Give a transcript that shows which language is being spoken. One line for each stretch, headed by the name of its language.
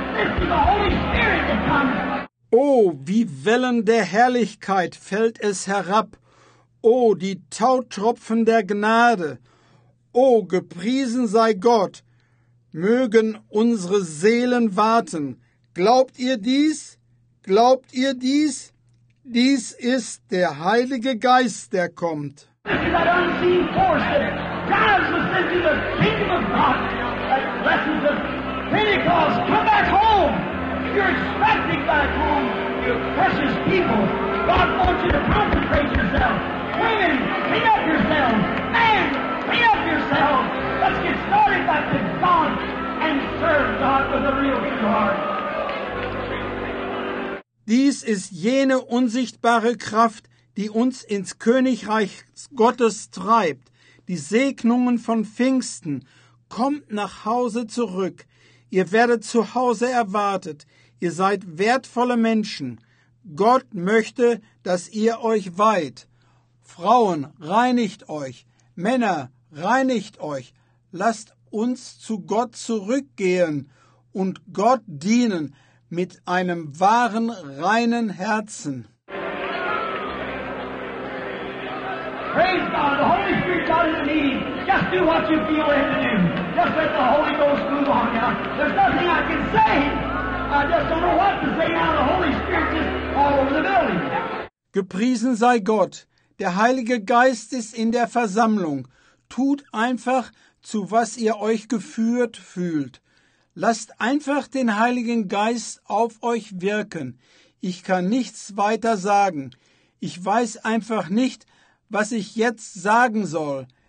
English: This is the Holy Spirit that comes.
German: Oh, wie Wellen der Herrlichkeit fällt es herab. Oh, die Tautropfen der Gnade. Oh, gepriesen sei Gott. Mögen unsere Seelen warten. Glaubt ihr dies? Glaubt ihr dies? Dies ist der Heilige Geist, der kommt.
English: This is that unseen force that drives us into the kingdom of God. That blessings of Pentecost. Come back home. You're expecting back home, you precious people. God wants you to concentrate yourself. Women, clean up yourself. Man, clean up yourself. Let's get started back to God and serve God with a real true heart.
German: Dies ist jene unsichtbare Kraft, die uns ins Königreich Gottes treibt. Die Segnungen von Pfingsten. Kommt nach Hause zurück. Ihr werdet zu Hause erwartet. Ihr seid wertvolle Menschen. Gott möchte, dass ihr euch weiht. Frauen, reinigt euch. Männer, reinigt euch. Lasst uns zu Gott zurückgehen und Gott dienen mit einem wahren, reinen Herzen.
English: Praise God, the Holy Spirit's not in the meeting. Just do what you feel led to do. Just let the Holy Ghost move on now. There's nothing I can say. I just don't know what to say now. The Holy Spirit is all over the building.
German: Gepriesen sei Gott. Der Heilige Geist ist in der Versammlung. Tut einfach, zu was ihr euch geführt fühlt. Lasst einfach den Heiligen Geist auf euch wirken. Ich kann nichts weiter sagen. Ich weiß einfach nicht, was ich jetzt sagen soll.